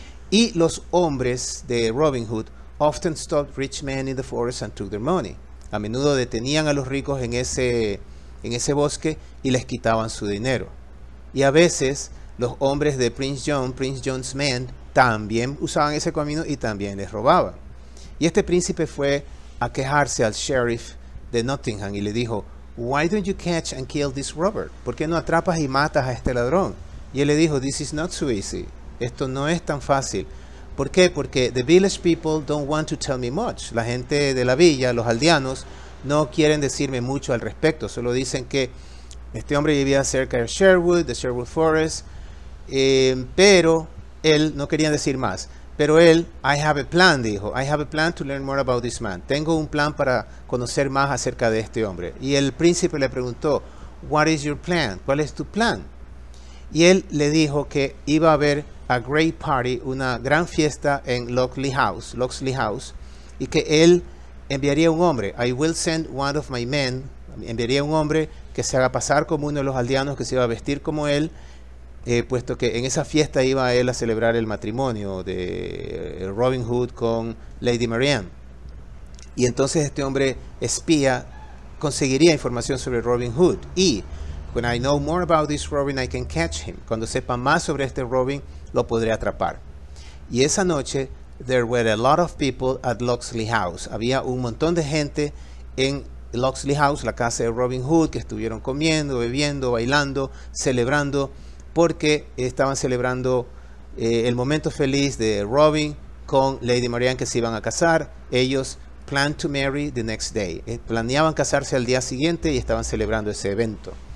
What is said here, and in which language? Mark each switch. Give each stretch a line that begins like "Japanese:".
Spanish: Y los hombres de
English: Robin Hood often stopped rich men in the forest and took their money.
Spanish: A menudo detenían a los ricos en ese bosque y les quitaban su dinero. Y a veces los hombres de
English: Prince John's men,
Spanish: también usaban ese camino y también les robaban. Y este príncipe fue a quejarse al sheriff de Nottingham y le dijo,
English: "Why don't you catch and kill this robber?"
Spanish: ¿Por qué no atrapas y matas a este ladrón? Y él le dijo,
English: "This is not so easy."
Spanish: Esto no es tan fácil. ¿Por qué? Porque
English: the village people don't want to tell me much.
Spanish: La gente de la villa, los aldeanos, no quieren decirme mucho al respecto. Solo dicen que este hombre vivía cerca de Sherwood, de Sherwood Forest. Pero él no quería decir más. Pero él,
English: I have a plan,
Spanish: dijo.
English: I have a plan to learn more about this man.
Spanish: Tengo un plan para conocer más acerca de este hombre. Y el príncipe le preguntó,
English: what is your plan?
Spanish: ¿Cuál es tu plan? Y él le dijo que iba a ver
English: a great party,
Spanish: una gran fiesta en Locksley House, y que él enviaría un hombre.
English: I will send one of my men.
Spanish: Enviaría un hombre que se haga pasar como uno de los aldeanos, que se iba a vestir como él, puesto que en esa fiesta iba él a celebrar el matrimonio de Robin Hood con Lady Marianne. Y entonces este hombre espía conseguiría información sobre Robin Hood. Y
English: when I know more about this Robin, I can catch him.
Spanish: Cuando sepa más sobre este Robin, lo podré atrapar. Y esa noche,
English: there were a lot of people at Locksley House.
Spanish: Había un montón de gente en Locksley House, la casa de Robin Hood, que estuvieron comiendo, bebiendo, bailando, celebrando, porque estaban celebrando el momento feliz de Robin con Lady Marianne, que se iban a casar. Ellos
English: planned to marry the next day.
Spanish: Planeaban casarse al día siguiente y estaban celebrando ese evento.